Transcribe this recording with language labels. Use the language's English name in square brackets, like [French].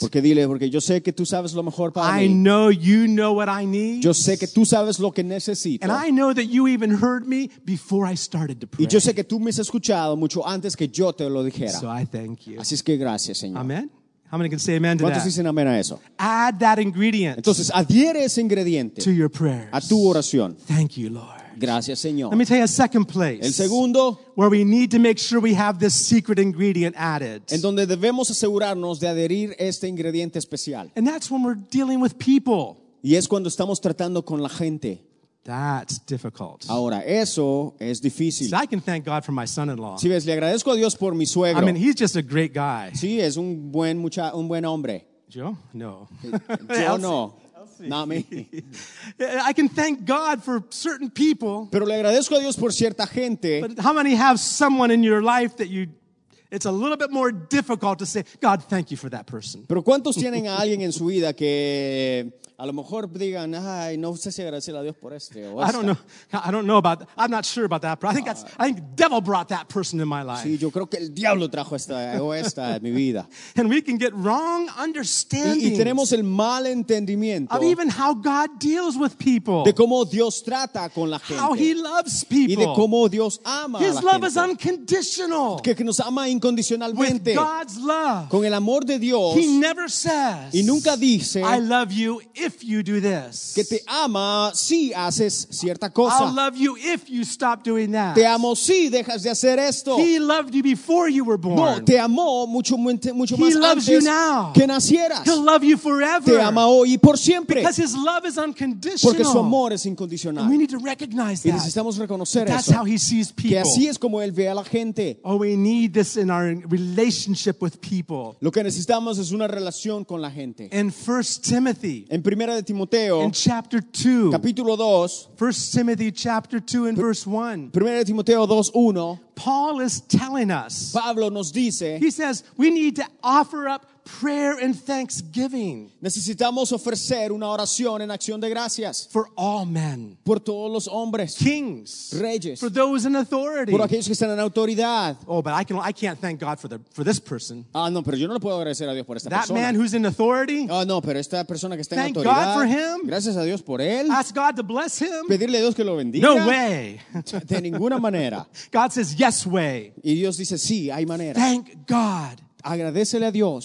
[Spanish] Porque dile, porque yo sé que tú sabes lo mejor para mí. [English] I know you know what I need. [Spanish] Yo sé que tú sabes lo que necesito. [English] And I know that you even heard me before I started to pray. [Spanish] Y yo sé que tú me has escuchado mucho antes que yo te lo dijera. [English] So I thank you. [Spanish] Así es que gracias, Señor. [English] Amen. How many can say amen to that? [Spanish] ¿Cuántos dicen amén a eso? [English] Add that ingredient. [Spanish] Entonces, adhiere ese ingrediente [English] to your prayers. [Spanish] A tu oración. [English] Thank you, Lord. [Spanish] Gracias, Señor. [English] Let me tell you a second place. [Spanish] El segundo, [English] where we need to make sure we have this secret ingredient added. [Spanish] En donde debemos asegurarnos de adherir este ingrediente especial. [English] And that's when we're dealing with people. [Spanish] Y es cuando estamos tratando con la gente. [English] That's difficult. [Spanish] Ahora, eso es difícil. [English] So I can thank God for my son-in-law. [Spanish] Sí, ves, le agradezco a Dios por mi suegro. [English] I mean, he's just a great guy. [Spanish] Sí, es un buen hombre. Yo? No. Yo no. [English] Not me. I can thank God for certain people. [Spanish] Pero le agradezco a Dios por cierta gente. [English] But how many have someone in your life that you... It's a little bit more difficult to say, God, thank you for that person. [Spanish] Pero ¿cuántos tienen a alguien en su vida que... A lo mejor digan, ay, no sé si agradecerle a Dios por este o esta. [English] I don't know about that. I'm not sure about that. But I think the devil brought that person in my life. [Spanish] Sí, yo creo que el diablo trajo esta o esta en mi vida. [English] And we can get wrong understandings. [Spanish] Y tenemos el mal entendimiento. [English] Of even how God deals with people. [Spanish] De cómo Dios trata con la gente. [English] How he loves people. [Spanish] Y de cómo Dios ama a la gente. [English] His love is unconditional. [Spanish] Que nos ama incondicionalmente. [English] With God's love. [Spanish] Con el amor de Dios. [English] He never says. [Spanish] Y nunca dice. [English] I love you if you do this. [Spanish] Que te ama si haces cierta cosa. [English] I'll love you if you stop doing that. [Spanish] Te amo si dejas de hacer esto. [English] He loved you before you were born. [Spanish] No, te amó mucho [English] he [Spanish] más [English] loves you now. [Spanish] Que nacieras. [English] He'll love you forever. [Spanish] Te ama hoy y por siempre. [English] Because his love is unconditional. [Spanish] Porque su amor es incondicional. [English] And we need to recognize that. [Spanish] Y necesitamos reconocer [English] that's [Spanish] eso. [English] That's how he sees people. [Spanish] Que así es como él ve a la gente. [English] Oh, we need this in our relationship with people. [Spanish] Lo que necesitamos es una relación con la gente. [English] In 1 Timothy. [Spanish] Primera de Timoteo, [English] in chapter 2, [Spanish] capítulo 2, [English] 1 Timothy chapter 2 and verse 1. [Spanish] Primera de Timoteo 2:1. [English] Paul is telling us. [Spanish] Pablo nos dice. [English] He says, we need to offer up prayer and thanksgiving. [Spanish] Necesitamos ofrecer una oración en acción de gracias. [English] For all men. [Spanish] Por todos los hombres. [English] Kings. [Spanish] Reyes. [English] For those in authority. [Spanish] Por aquellos que están en autoridad. [English] Oh, but I can't thank God for this person. [Spanish] Ah, no, pero yo no le puedo agradecer a Dios por esta [English] that [Spanish] persona. [English] That man who's in authority. [Spanish] Ah, no, pero esta persona que está [English] thank [Spanish] en autoridad. [English] Thank God for him. [Spanish] Gracias a Dios por él. [English] Ask God to bless him. [Spanish] Pedirle a Dios que lo bendiga. [English] No way. [Spanish] De ninguna manera. [English] God says yes way. [Spanish] Y Dios dice sí, hay manera. [English] Thank God. [Spanish] Agradecele a Dios